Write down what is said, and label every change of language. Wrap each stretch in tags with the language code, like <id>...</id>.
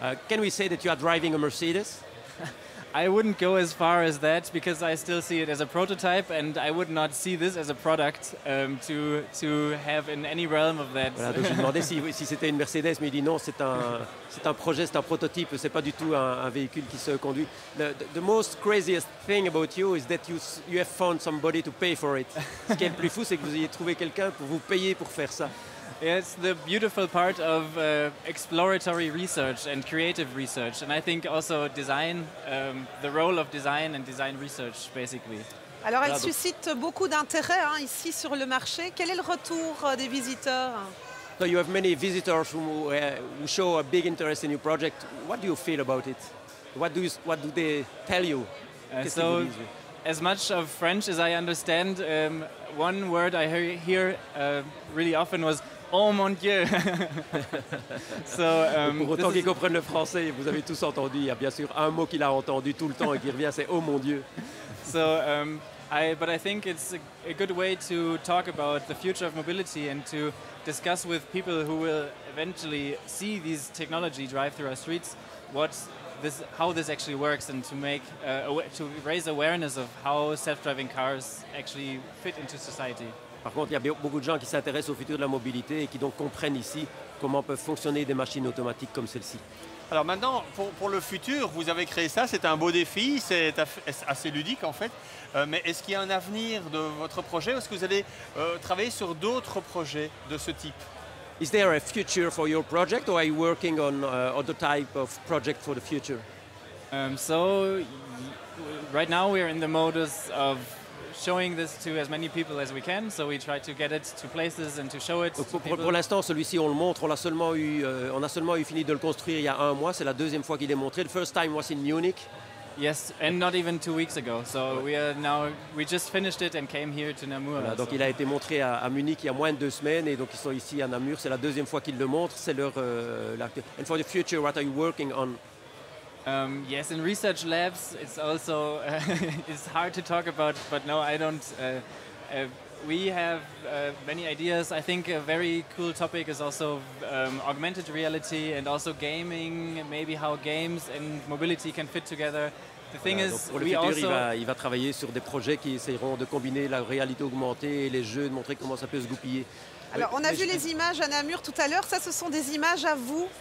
<en>Can we say that you are driving a Mercedes? I wouldn't go as far as that because I still see it as a prototype and I would not see this as a product to have in any realm of that.</en> <fr>Voilà, donc je me demandais si c'était une Mercedes, mais il dit non, c'est un projet, c'est un prototype, c'est pas du tout un véhicule qui se conduit.</fr> <en>The most craziest thing about you is that you have found somebody to pay for it.</en> <fr>Ce qui est le plus fou, c'est que vous ayez trouvé quelqu'un pour vous payer pour faire ça.</fr> <en>It's the beautiful part of exploratory research and creative research, and I think also design, the role of design and design research, basically.</en> <fr>Alors, elle suscite beaucoup d'intérêt hein, ici sur le marché. Quel est le retour des visiteurs?</fr> <en>So you have many visitors who show a big interest in your project. What do you feel about it? What do they tell you? So, as much of French as I understand, one word I hear really often was.</en> <fr>Oh mon Dieu! Pour autant qu'ils comprennent le français, vous avez tous entendu. Il y a bien sûr un mot qu'il a entendu tout le temps et qui revient, c'est oh mon Dieu.</fr> <en>But I think it's a good way to talk about the future of mobility and to discuss with people who will eventually see these technology drive through our streets how this actually works and to raise awareness of how self-driving cars actually fit into society.</en> <fr>Par contre, il y a beaucoup de gens qui s'intéressent au futur de la mobilité et qui donc comprennent ici comment peuvent fonctionner des machines automatiques comme celle-ci. Alors maintenant, pour le futur, vous avez créé ça, c'est un beau défi, c'est assez ludique en fait. Mais est-ce qu'il y a un avenir de votre projet ou est-ce que vous allez travailler sur d'autres projets de ce type?</fr> <en>Is there a future for your project or are you working on other type of project for the future? So, right now we are in the modus of showing this to as many people as we can, so we try to get it to places and to show it.</en> <fr>Pour l'instant, celui-ci, on le montre. On a seulement eu fini de le construire il y a un mois. C'est la deuxième fois qu'il est montré.</fr> <en>The first time was in Munich. Yes, and not even 2 weeks ago. So we just finished it and came here to Namur.</en> <fr>Voilà, donc il a été montré à Munich il y a moins de 2 semaines, et donc ils sont ici à Namur. C'est la deuxième fois qu'ils le montrent. C'est leur.</fr> <en>And for the future, what are you working on? Yes, in research labs, it's also it's hard to talk about. But no, I don't. We have many ideas. I think a very cool topic is also augmented reality and also gaming. Maybe how games and mobility can fit together. The thing is,</en> <fr>pour le futur, il va travailler sur des projets qui essayeront de combiner la réalité augmentée et les jeux, de montrer comment ça peut se goupiller. Alors, on a vu les images à Namur tout à l'heure. Ça, ce sont des images à vous.</fr>